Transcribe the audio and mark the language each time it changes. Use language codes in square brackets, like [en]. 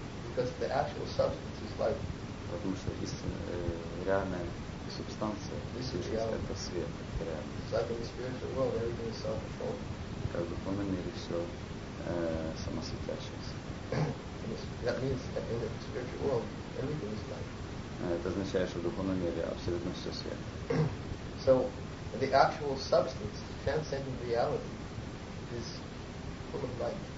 [en] Because the actual substance is light. [ru] Потому что истинная, реальная субстанция — это свет, это реальность. Как в духовном мире все самосветящееся. [en] That means that in the spiritual world, everything is light. [ru] Это означает, что в духовном мире абсолютно все свет. [en] So, the actual substance, the transcendent reality, is full of light.